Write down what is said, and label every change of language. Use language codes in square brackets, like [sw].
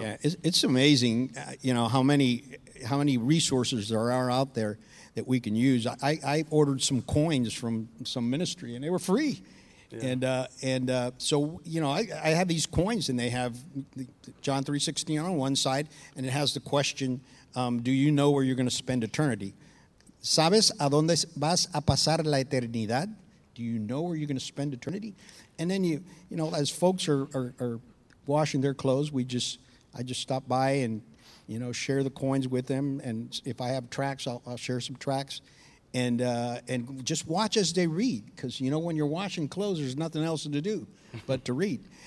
[en] Yeah, it's amazing, you know, how many resources there are out there that we can use. I ordered some coins from some ministry and they were free. Yeah. I have these coins, and they have John 3:16 on one side, and it has the question, do you know where you're going to spend eternity? [es] ¿Sabes a dónde vas a pasar la eternidad? [en] Do you know where you're going to spend eternity? And then you know, as folks are washing their clothes, I just stop by and, you know, share the coins with them. And if I have tracks, I'll share some tracks. And just watch as they read, because, you know, when you're washing clothes, there's nothing else to do but to read.